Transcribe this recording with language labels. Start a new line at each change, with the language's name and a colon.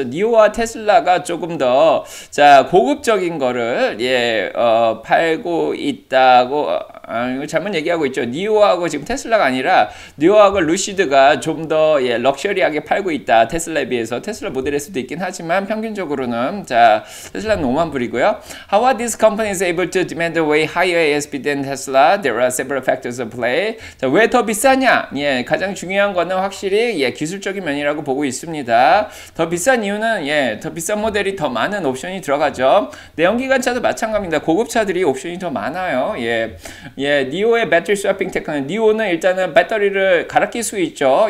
Korean: 니오와 테슬라가 조금 더 자, 고급적인 거를 팔고 있다고 이거 잘못 얘기하고 있죠. 니오하고 지금 테슬라가 아니라 니오하고 루시드가 좀더 럭셔리하게 팔고 있다. 테슬라에 비해서 테슬라 모델일 수도 있긴 하지만 평균적으로는 자 테슬라는 5만 불이고요.
English: How are these companies able to demand way higher ASP than Tesla? There are several factors at play.
Korean: 자, 왜더 비싸냐? 가장 중요한 거는 확실히 기술적인 면이라고 보고 있습니다. 더 비싼 이유는 더 비싼 모델이 더 많은 옵션이 들어가죠. 내연기관차도 마찬가지입니다. 고급차들이 옵션이 더 많아요. 니오의 배터리 스와핑 테크는, 니오는 일단은 배터리를 갈아 낄수 있죠.